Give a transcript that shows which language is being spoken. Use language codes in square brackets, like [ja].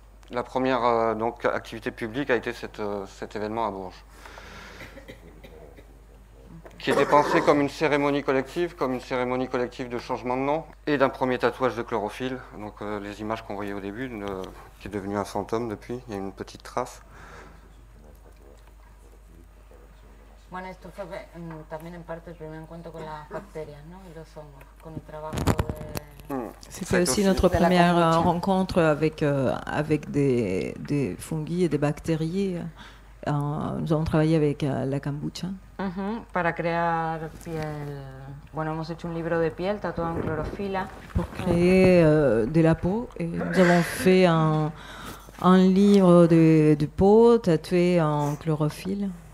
[fr] la première donc, activité publique a été cet événement à Bourges, qui était pensé comme une cérémonie collective, de changement de nom et d'un premier tatouage de chlorophylle. Donc les images qu'on voyait au début, qui est devenu un fantôme depuis, il y a une petite trace. [es] Bueno, esto fue también en parte el primer encuentro con las bacterias, ¿no? Y los hongos, con el trabajo de... [fr] C'était aussi notre première rencontre avec des fungi et des bactéries Nous avons travaillé avec la kombucha. [es] Para crear piel. Bueno, hemos hecho un libro de piel, tatuado en clorofila. [fr] Pour créer de la peau, et nous avons fait un livre de peau tatoué en chlorophylle.